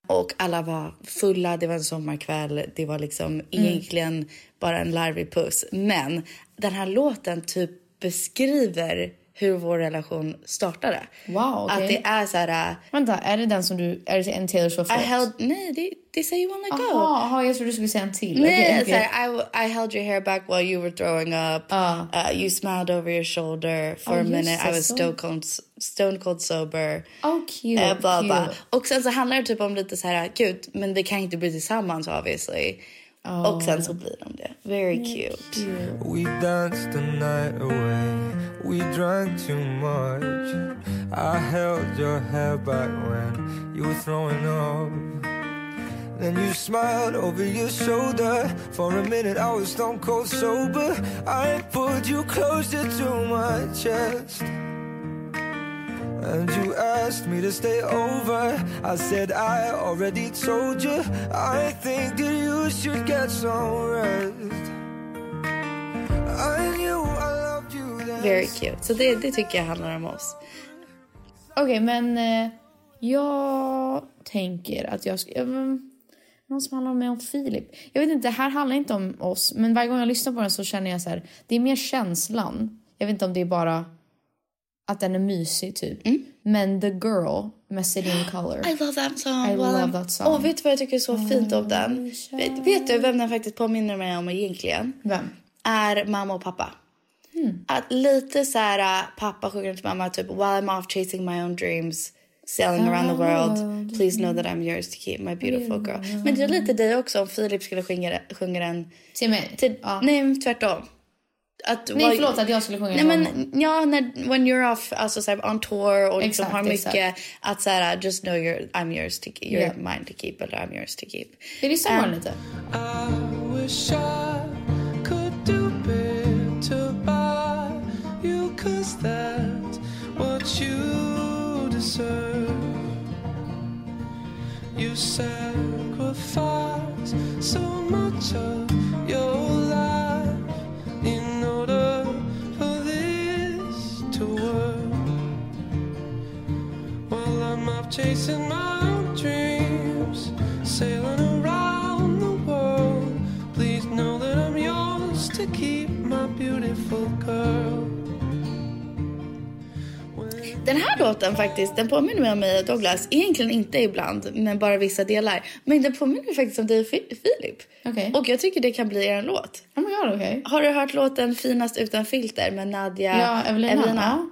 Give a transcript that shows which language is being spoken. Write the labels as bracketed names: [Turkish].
[Swedish] Och alla var fulla, det var en sommarkväll. Det var liksom egentligen bara en larvig puss. Men den här låten typ beskriver hur vår relation startade. [English] Wow, okay. [Swedish] Att det är så här... Vänta, är det den som du... Är det en Taylor Swift? [English] I held... [Swedish] Nej, det säger [English] you wanna go. [Swedish] Jaha, jag tror du skulle säga en till. Nej, [English] okay, okay. [Swedish] Så här, [English] I held your hair back while you were throwing up. You smiled over your shoulder for a minute. Så, I was stone cold sober. Oh, cute. Blah, blah. [Swedish] Och sen så handlar det typ om lite så här... Gud, men det kan inte bli tillsammans, [English] obviously. Oh. [Swedish] Och sen så blir de det. [English] Very cute. We danced the night away. We drank too much. I held your hair back when you were throwing up. Then you smiled over your shoulder. For a minute I was stone cold sober. I pulled you closer to my chest. And you asked me to stay over. I said I already told you. I think that you should get some rest. I knew I loved you then. Very cute. [Swedish] Så det tycker jag handlar om oss. Okej, men jag tänker att jag ska... Någon som handlar om mig om Filip. Jag vet inte, det här handlar inte om oss. Men varje gång jag lyssnar på den så känner jag så här... Det är mer känslan. Jag vet inte om det är bara... Att den är mysig typ. Mm. Men The Girl med Celine Color. [English] I love that song. I love that song. [Swedish] Och vet du vad jag tycker är så fint om den? Vet du vem den faktiskt påminner mig om egentligen? Vem? Är mamma och pappa. Att lite så här, pappa sjunger till mamma typ, [English] while I'm off chasing my own dreams, sailing around the world, please know that I'm yours to keep, my beautiful girl. [Swedish] Men det är lite dig också om Filip skulle sjunga den. Till mig? Nej, tvärtom. Förlåt att jag skulle sjunga. Nej, men ja, [English] when you're off, [Swedish] alltså så här, [English] on tour [Swedish] och liksom exakt, har mycket exakt. Att så här, [English] just know I'm yours to keep, you're mine to keep, but I'm yours to keep. [Swedish] Det är samma lite. [English] I wish I could do better by you, 'cause that's what you deserve. You sacrifice so much of your life in order for this to work. While I'm off chasing my own dreams, sailing around the world, please know that I'm yours to keep, my beautiful girl. [Swedish] Den här låten faktiskt, den påminner mig om mig och Douglas. Egentligen inte ibland, men bara vissa delar. Men den påminner mig faktiskt om dig och Filip. [English] Okay. [Swedish] Och jag tycker det kan bli er låt. [English] Oh my god, okay. [Swedish] Har du hört låten Finast utan filter med Nadia? Ja, Evelina.